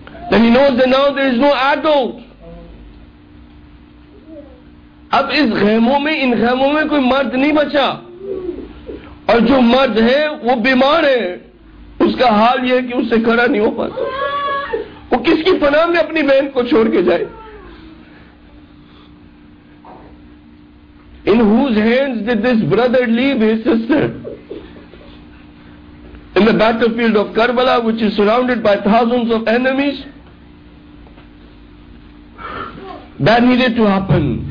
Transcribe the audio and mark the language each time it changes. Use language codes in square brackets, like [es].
[en] Then he knows that now there is no adult. [ur] اب اس غیموں میں ان غیموں میں کوئی مرد نہیں بچا, اور جو مرد ہے وہ بیمار ہے, اس کا حال یہ ہے کہ اسے کھڑا نہیں ہو پاتا, وہ کس کی پناہ میں اپنی بہن کو چھوڑ کے جائے. [en] In whose hands did this brother leave his sister? In the battlefield of Karbala, which is surrounded by thousands of enemies, that needed to happen.